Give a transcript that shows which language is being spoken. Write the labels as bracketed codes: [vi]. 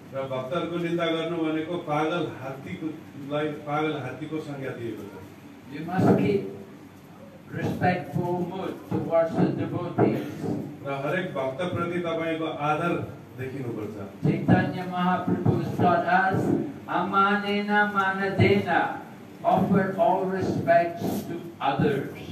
[ne] र भक्तहरूको निन्दा गर्नु भनेको पागल हात्तीलाई पागल हात्तीको संज्ञा दिएको छ. [en] You must keep respectful mood towards the devotees. [ne] र हरेक भक्त प्रति तपाईँको आदर देखिनु पर्छ. [en] Chaitanya Mahaprabhu taught us, [sa] amanena manadena, [en] offer all respects to others.